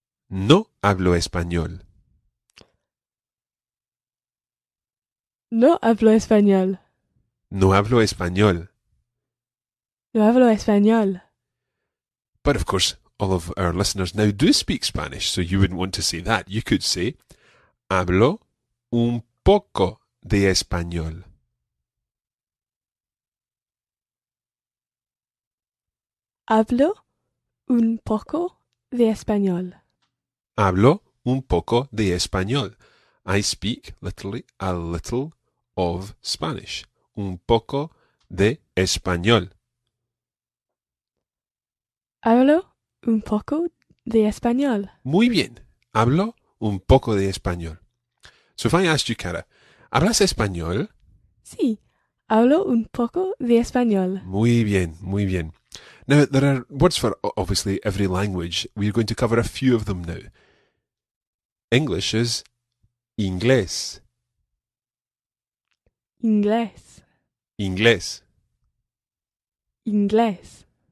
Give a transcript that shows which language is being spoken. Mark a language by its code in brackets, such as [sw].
[es] No hablo español. No hablo español. No hablo español. No hablo español. [en] But of course, all of our listeners now do speak Spanish, so you wouldn't want to say that. You could say, [es] Hablo un poco de español. Hablo un poco de español. Hablo un poco de español. [en] I speak, literally, a little of Spanish. [es] Un poco de español. Hablo un poco de español. Muy bien. Hablo un poco de español. [en] So if I asked you, [es] Cara, ¿hablas español? Sí. Hablo un poco de español. Muy bien. Muy bien. [en] Now, there are words for, obviously, every language. We're going to cover a few of them now. English is inglés. [es] Inglés. Inglés. Inglés.